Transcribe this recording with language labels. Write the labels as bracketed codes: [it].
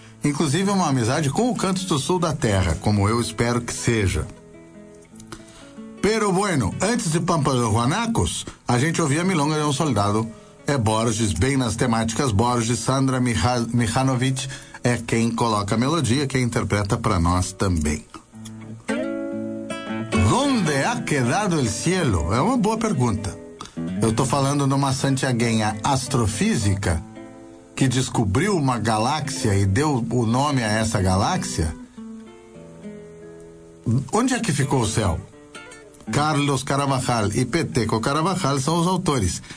[pt] Inclusive uma amizade com o Cantos do Sul da Terra, como eu espero que seja. [es] Pero bueno, [pt] antes de Pampa dos Guanacos, a gente ouvia Milonga de um Soldado. É Borges, bem nas temáticas Borges. Sandra Mihanovic é quem coloca a melodia, quem interpreta para nós também. [es] Onde ha quedado el cielo? [pt] É uma boa pergunta. Eu tô falando numa santiaguenha astrofísica que descobriu uma galáxia e deu o nome a essa galáxia. Onde é que ficou o céu? Carlos Carabajal e Peteco Carabajal são os autores.